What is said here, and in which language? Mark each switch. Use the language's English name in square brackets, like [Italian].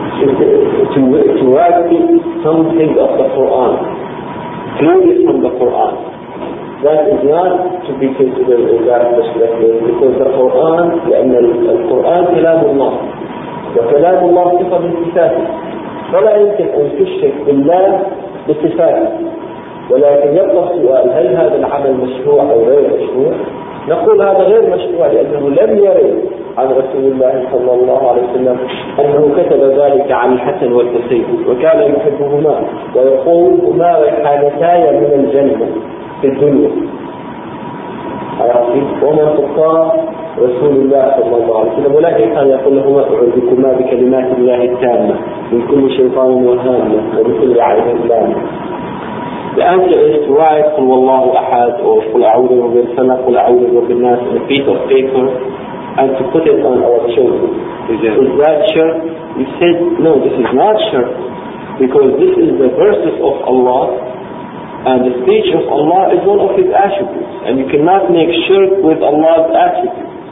[English] To write something of the Quran, clearly from the Quran, that is not to be considered in that perspective, because the Quran, [Arabic] لأن القرآن كلام الله. وكلام الله صفة من صفاته، فلا يمكن أن تشرك بالله بصفاته. ولكن يبقى السؤال، هل هذا العمل مشروع أو غير مشروع؟ نقول هذا غير مشروع، لأنه لم يرد عن رسول الله صلى الله عليه وسلم أنه كتب ذلك عن الحسن والحسين، وكان يحبهما ويقول هما ريحانتايا من الجنة في الدنيا. وما تقام رسول الله صلى الله عليه وسلم، ولكن كان يقول لهما أعوذكما بكلمات الله التامة من كل شيطان وهامة وبكل عين لامة. [English] The answer is to write [Arabic] قل والله أحد أو قل أعوذ برب الفلق قل أعوذ برب الناس [English] on a piece of paper and to put it on our children. Is that shirk? He said, no, this is not shirk, because this is the verses of Allah and the speech of Allah is one of his attributes, and you cannot make shirk with Allah's attributes.